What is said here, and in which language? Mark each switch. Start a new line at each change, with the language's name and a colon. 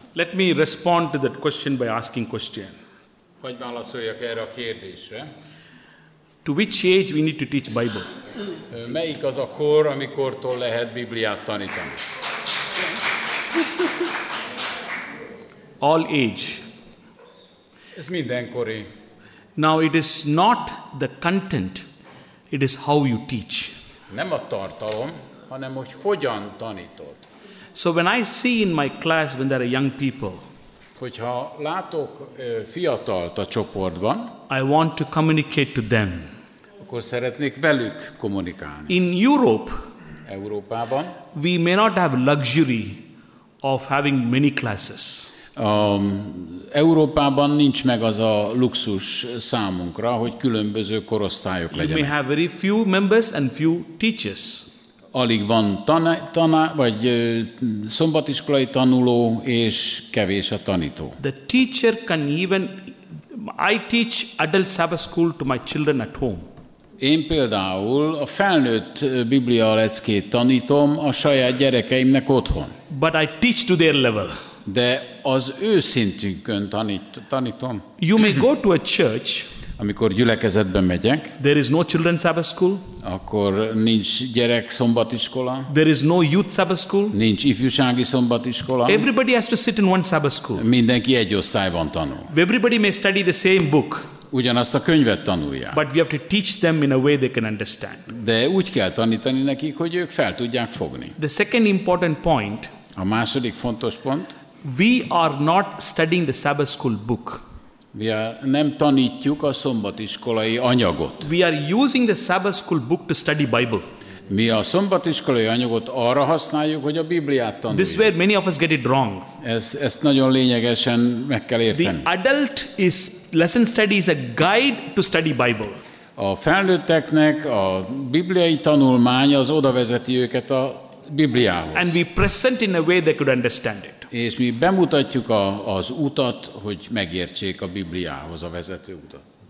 English: Let me respond to that question by asking question.
Hungarian: Hogy válaszoljak erre a kérdésre?
English: To which age we need to teach Bible?
Hungarian: Melyik az a kor, amikortól lehet Bibliát tanítani?
English: All age.
Hungarian: Ez mindenkori.
English: Now it is not the content, it is how you teach.
Hungarian: Nem a tartalom, hanem hogy hogyan tanítod.
English: So when I see in my class when there are young people,
Hungarian: hogyha látok fiatalt a csoportban,
English: I want to communicate to them.
Hungarian: Akkor szeretnék velük kommunikálni.
English: In Europe,
Hungarian: Európában,
English: we may not have luxury of having many classes.
Hungarian: Európában nincs meg az a luxus számunkra, hogy különböző korosztályok legyenek.
English: You may have very few members and few teachers.
Hungarian: Alig van vagy szombatiskolai tanuló és kevés a tanító.
English: The teacher can even I teach adult Sabbath school to my children at home.
Hungarian: Én például a felnőtt Biblia leckét tanítom a saját gyerekeimnek otthon.
English: But I teach to their level.
Hungarian: De az ő szintünkön tanítom.
English: You may go to a church.
Hungarian: Amikor gyülekezetben megyek,
English: there is no children's Sabbath school.
Hungarian: Akkor nincs gyerek szombatiskola.
English: There is no youth Sabbath school.
Hungarian: Nincs ifjúsági szombatiskola.
English: Everybody has to sit in one Sabbath school.
Hungarian: Mindenki egy osztályban tanul.
English: Everybody may study the same book.
Hungarian: Ugyanazt a könyvet tanulják.
English: But we have to teach them in a way they can understand.
Hungarian: De úgy kell tanítani nekik, hogy ők fel tudják fogni.
English: The second important point.
Hungarian: A második fontos pont.
English: We are not studying the Sabbath school book.
Hungarian: Mi nem tanítjuk a szombatiskolai anyagot.
English: We are using the Sabbath school book to study Bible.
Hungarian: Mi a szombatiskolai anyagot arra használjuk, hogy a Bibliát tanuljuk.
English: This is where many of us get it wrong.
Hungarian: Ezt nagyon lényegesen meg kell érteni.
English: The adult is lesson study is a guide to study Bible.
Hungarian: A felnőtteknek a bibliai tanulmány az oda vezeti őket a Bibliához.
English: And we present in a way they could understand it.
Hungarian: És mi bemutatjuk az utat, hogy megértsék a Bibliához a vezető utat.